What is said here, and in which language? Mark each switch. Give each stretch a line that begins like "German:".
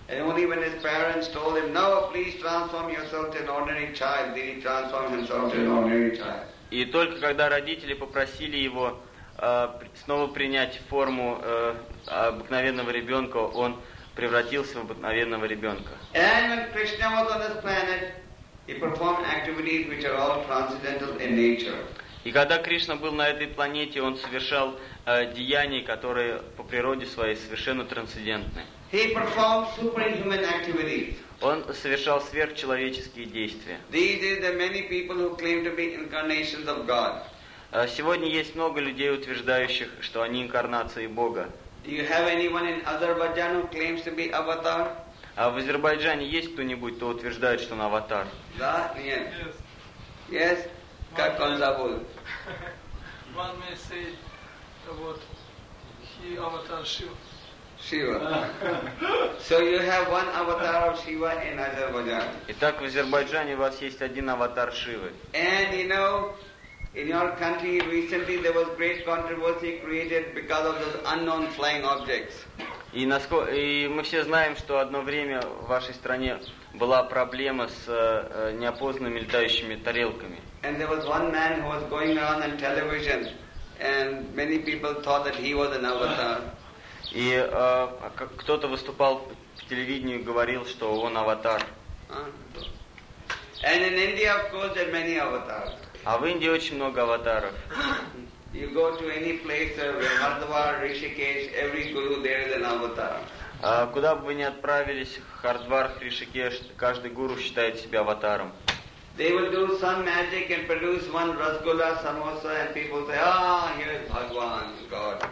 English: And only when his parents told him, "Now, please transform yourself to an ordinary child," did he transform himself to an ordinary child.
Russian: И только когда родители попросили его снова принять форму обыкновенного ребенка, он превратился в обыкновенного ребенка.
English: And when Krishna was on this planet, he performed activities which are all transcendental in nature.
Russian: И когда Кришна был на этой планете, он совершал деяния, которые по природе своей совершенно трансцендентны.
English: He performed superhuman activities.
Russian: Он совершал сверхчеловеческие действия.
English: These are the many people who claim to be incarnations of God.
Russian: Сегодня есть много людей, утверждающих, что они инкарнации Бога.
English: Do you have anyone in Azerbaijan who claims to be avatar?
Russian: А в Азербайджане есть кто-нибудь, кто утверждает, что он аватар? Да, нет.
English: Yes. Yes.
Russian: Как он зовут?
English: One may say, what? He avatar Shiva. So you have one avatar of Shiva in Azerbaijan.
Russian: Итак, в Азербайджане у вас есть один аватар Шивы.
English: And you know, in your country recently there was great controversy created because of those unknown flying objects.
Russian: И мы все знаем, что одно время в вашей стране была проблема с неопознанными летающими тарелками.
English: And there was one man who was going around on television, and many people thought that he was an avatar.
Russian: И кто-то выступал по телевидению и говорил, что он аватар.
English: And in India, of course, there are many avatars.
Russian: А в Индии очень много аватаров.
English: You go to any place, Hardwar, Rishikesh, every guru there is an avatar.
Russian: Куда бы вы ни отправились, Хардвар, Ришикеш, каждый гуру считает себя аватаром.
English: They will do some magic and produce one rasgulla, samosa, and people say, "Ah, here is Bhagwan, God."